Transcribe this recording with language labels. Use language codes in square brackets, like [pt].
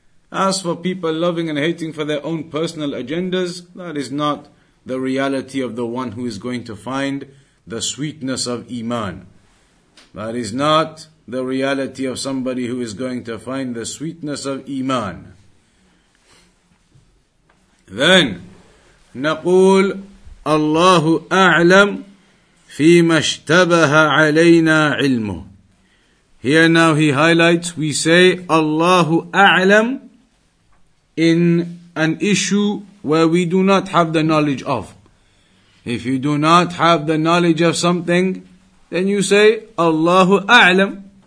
[en] As for people loving and hating for their own personal agendas, that is not the reality of the one who is going to find the sweetness of Iman. That is not the reality of somebody who is going to find the sweetness of Iman. Then, [ar] نقول الله أعلم فيما اشتبه علينا علمه. [en] Here now he highlights, we say, الله أعلم in an issue where we do not have the knowledge of. If you do not have the knowledge of something, then you say, الله أعلم.